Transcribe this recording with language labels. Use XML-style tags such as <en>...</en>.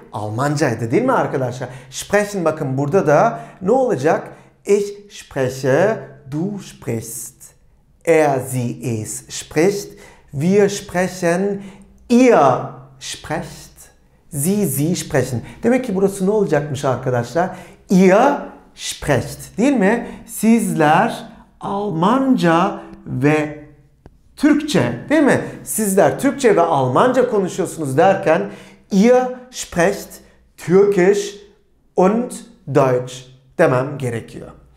<tr>Almancaydı değil mi arkadaşlar? Sprechen, bakın burada da ne olacak?</tr> <de>Ich spreche, du sprichst. Er, sie, es spricht. Wir sprechen, ihr sprecht. Sie, sie sprechen.</de> <tr>Demek ki burası ne olacakmış arkadaşlar?</tr> <de>Ihr sprecht</de> <tr>değil mi? Sizler Almanca ve Türkçe değil mi? Sizler Türkçe ve Almanca konuşuyorsunuz derken</tr> <de>ihr sprecht Türkisch und Deutsch</de> <tr>demem gerekiyor.</tr>